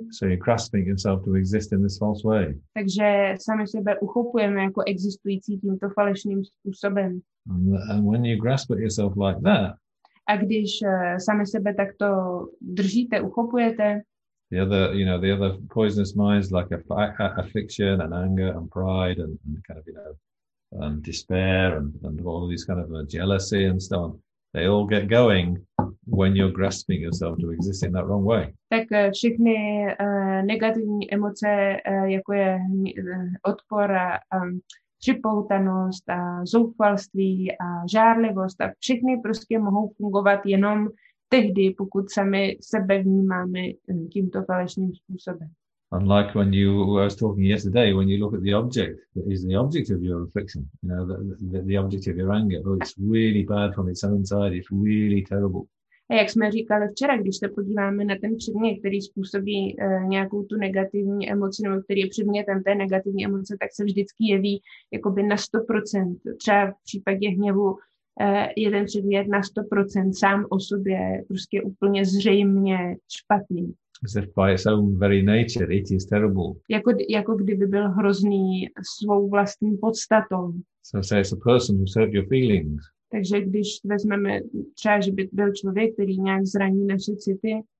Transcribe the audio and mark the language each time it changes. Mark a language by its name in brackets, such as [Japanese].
[English] So you're grasping yourself to exist in this false way. [Czech] Takže sami sebe uchopujeme jako existující tímto falešným způsobem. [English] And when you grasp at yourself like that, [Czech] a když sami sebe takto držíte, uchopujete. [English] The other, you know, the other poisonous minds like affliction and anger and pride and kind of, you know, and despair and all these kind of jealousy and so on. They all get going when you're grasping yourself to exist in that wrong way. [Czech] Tak všechny negativní emoce, jako je odpor a připoutanost a zoufalství a žárlivost a všechny prostě mohou fungovat jenom tehdy, pokud sami sebe vnímáme tímto falešným způsobem. [English] Unlike when you were talking yesterday, when you look at the object that is the object of your affliction, you know, the object of your anger, oh, it's really bad from its own side, it's really terrible. [Czech] A jak jsme říkali včera, když se podíváme na ten předmět, který způsobí nějakou tu negativní emoci, nebo který je předmětem té negativní emoce, tak se vždycky jeví jakoby na 100%. Třeba v případě hněvu jeden předmět na 100% sám o sobě prostě úplně zřejmě špatný. [English] As if by its own very nature, it is terrible. [Czech] Jako kdyby byl hrozný svou vlastní podstatou. [English] So say it's a person who served your feelings. [Czech] Takže když vezmeme třeba, že by byl člověk, který nějak zraní naše city.